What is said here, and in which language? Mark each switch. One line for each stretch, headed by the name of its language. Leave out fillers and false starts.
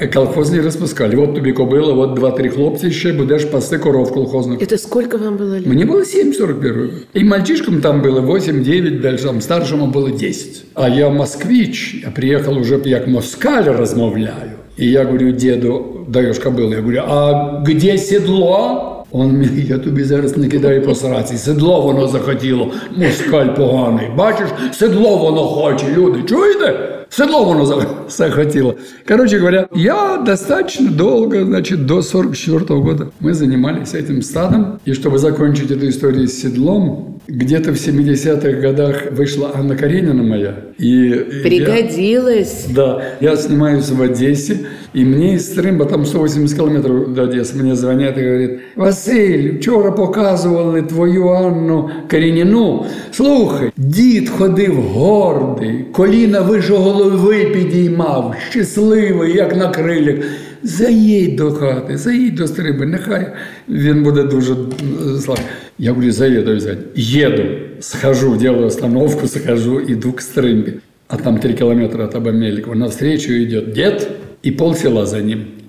Russian: Колхоз не распускали. Вот
Ukrainian: тобі
Russian: кобила, вот 2-3 хлопца еще, будешь пасти коров колхозных. Это сколько вам было лет? Мне было 7-41. И мальчишкам там было 8-9, дальше там старшему было 10. А я москвич, я приехал уже, я к москалю размовляю. И я говорю деду: «Даешь кобылу?» Я говорю: «А где седло?» Он мне:
Ukrainian: «Я тебе зараз накидаю посрати, седло воно захотіло, москаль поганий, бачишь, седло воно хоче, люди, чуєте? Седло воно захотіло».
Russian: Короче говоря, я достаточно долго, значит, до 44-го года мы занимались этим стадом. И чтобы закончить эту историю с седлом, где-то в 70-х годах вышла Анна Каренина моя. И пригодилась. Я, да, я снимаюсь в Одессе, и мне из Стрымба, там 180 километров до Одессы, мне звонят и говорят: «Василь, вчера показывали твою Анну Каренину.
Ukrainian: Слухай, дід ходив гордий, коліна вище голови підіймав, щасливий, як на крилях. Заїдь до хати, заїдь до Стриби, нехай він буде дуже слабий».
Russian: Я говорю: «Заеду взять». Еду, схожу, делаю остановку, схожу, иду к Стрымбе. А там 3 километра от Абамеликова. Навстречу идет дед и полсела за ним.